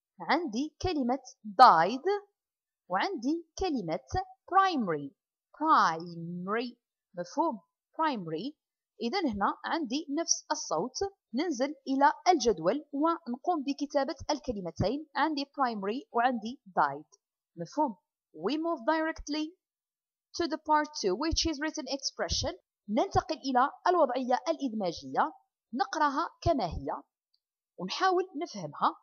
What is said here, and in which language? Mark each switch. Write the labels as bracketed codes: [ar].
[ar] عندي كلمة died وعندي كلمة primary. primary مفهوم primary. إذن هنا عندي نفس الصوت. ننزل إلى الجدول ونقوم بكتابة الكلمتين. عندي primary وعندي died. مفهوم. [en] We move directly to the part 2 which is written expression. [ar] ننتقل إلى الوضعية الإدماجية. نقرأها كما هي ونحاول نفهمها.